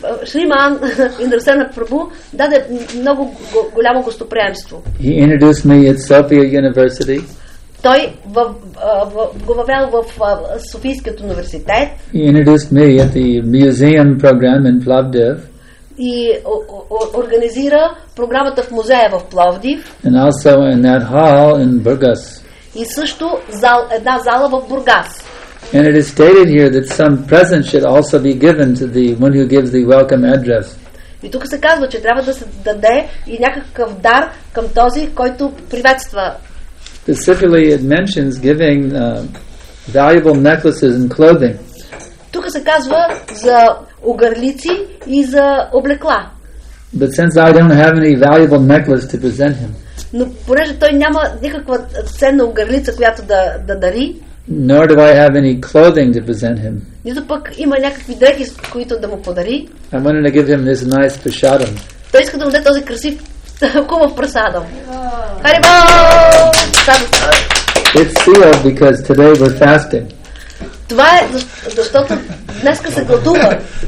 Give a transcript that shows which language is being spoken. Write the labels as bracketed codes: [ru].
[bg] Shriman Indrasen Prabhu даде много голямо гостоприемство. [en] He introduced me at Sofia University. [bg] Той го въвел в Софийският университет. [en] He introduced me at the museum program in Plovdiv. [bg] И организира програмата в музея в Пловдив. [en] And also in that hall in Burgas. [bg] И също една зала в Бургас. [en] And it is stated here that some present should also be given to the one who gives the welcome address. [bg] И тук се казва, че трябва да се даде и някакъв дар към този, който приветства. [en] Specifically it mentions giving valuable necklaces and clothing. [bg] Тук се казва за огърлици и за облекла. [en] But since I don't have any valuable necklace to present him. [bg] Но понеже той няма никаква ценна огърлица, която да дари. [en] Nor do I have any clothing to present him. [bg] Нито пък има някакви дрехи, с които да му подари. [en] I'm going to give him this nice prasadam. [bg] Той иска да му даде този красив хубав прасадам. [sa] Харибол! [en] It's sealed because today we're fasting. [bg] Това е защото днеска се гладува.